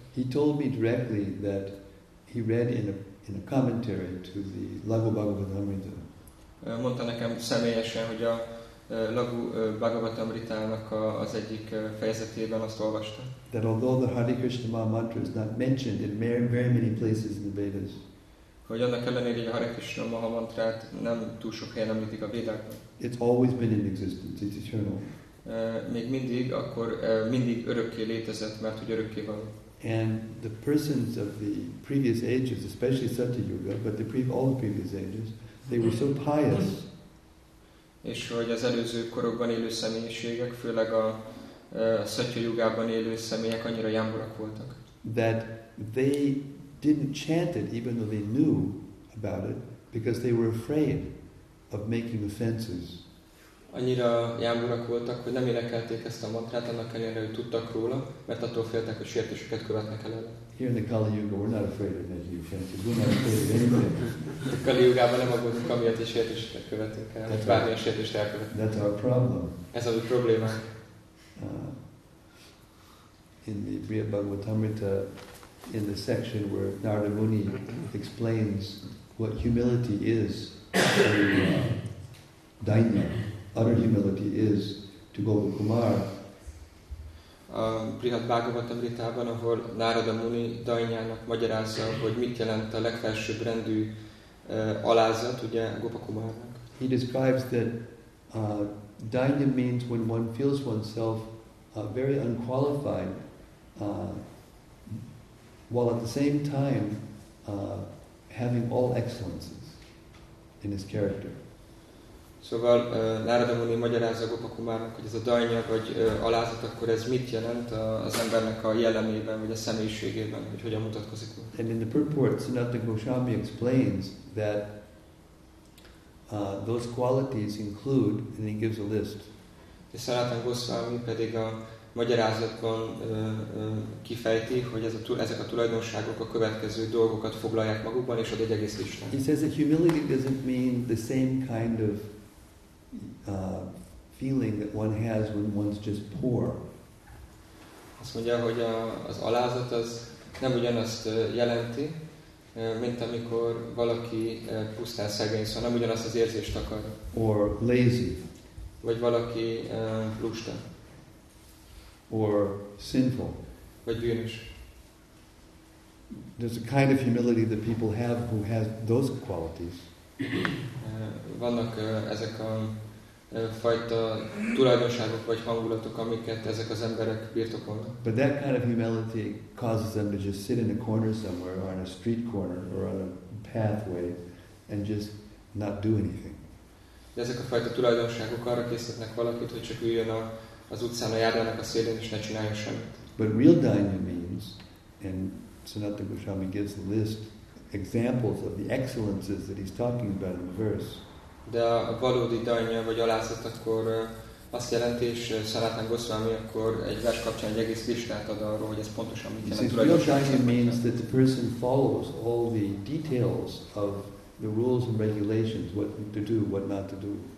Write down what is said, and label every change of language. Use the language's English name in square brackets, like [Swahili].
[English] He told me directly that he read in a commentary to the Lagu Bhagavatamrita. [Hungarian] Mondta nekem személyesen, hogy a Lagu Bhagavatamritának az egyik fejezetében azt olvasta. [English] That although the Hare Krishna mantra is not mentioned in very, very many places in the Vedas. [Hungarian] Hogy annak ellenére, hogy a Hare Krishna maha mantrát nem túl sok helyen említik a Védákban. [English] It's always been in existence, it's eternal. [Hungarian] Még mindig, akkor mindig örökké létezett, mert hogy örökké van. [English] And the persons of the previous ages, especially Satyayuga, but all the previous ages, they were so pious. [Hungarian] És hogy az előző korokban élő személyiségek, főleg a Satyayugában élő személyek annyira jámborak voltak. [English] That they didn't chant it even though they knew about it, because they were afraid of making offenses. [Hungarian] Annyira jámborak voltak, hogy nem énekelték ezt a mantrát, annak ellenére, hogy tudtak róla, mert attól féltek, hogy sértéseket követnek el. [English] Here in the Kali Yuga, we're not afraid of making offenses. We're not afraid of anything. [Hungarian] A Kali Yugában nem aggódunk, amiért is sértéseket követünk el, mert bármilyen sértést elkövetünk. [English] That's our problem. [Hungarian] Ez a mi probléma. [English] In the Brihat Bhagavatamrita, in the section where Narada Muni explains what humility is to Dainya, utter humility is to Gopal Kumar. [Hungarian] Brihat Bhagavatamritában, ahol Narada Muni Dainyának magyarázza, hogy mit jelent a legfelsőbb rendű alázat, ugye Gopal Kumarnak. [English] He describes that Dainya means when one feels oneself very unqualified, while at the same time having all excellences in his character. [Hungarian] Szóval Nárada Muni magyarázza Gopakumárnak, hogy ez a dajnya vagy alázat, akkor ez mit jelent az embernek a jellemében, vagy a személyiségében, hogy hogyan mutatkozik. [English] And in the purport, Sanatana Goswami explains that those qualities include, and he gives a list. [Hungarian] És Sanatana Goswami pedig a magyarázatban kifejti, hogy ezek a tulajdonságok a következő dolgokat foglalják magukban, és ad egy egész listát. [English] He says that humility doesn't mean the same kind of feeling that one has when one's just poor. [Hungarian] Azt mondja, hogy az alázat az nem ugyanazt jelenti, mint amikor valaki pusztán szegény, szóval nem ugyanazt az érzést akar. [English] Or lazy. [Hungarian] Vagy valaki lusta. [English] Or sinful. [Hungarian] Vagy bűnös. [English] There's a kind of humility that people have who have those qualities. [Hungarian] Vannak ezek a fajta tulajdonságok vagy hangulatok, amiket ezek az emberek birtokolnak. [English] But that kind of humility causes them to just sit in a corner somewhere, or on a street corner, or on a pathway, and just not do anything. [Hungarian] De ezek a fajta tulajdonságok arra készítenek valakit, hogy csak üljön az utcán, a járdának a szélén, és ne csináljon semmit. [English] But real dhyana means, and Sanatana Goswami gives the list, examples of the excellences that he's talking about in the verse. [Hungarian] De a valódi dajnya vagy alázat akkor azt jelenti, és Sanatana Goswami akkor egy vers kapcsán egy egész listát ad arról, hogy ez pontosan mit jelent. [English] Real dajnya means that the person follows all the details of the rules and regulations, what to do, what not to do.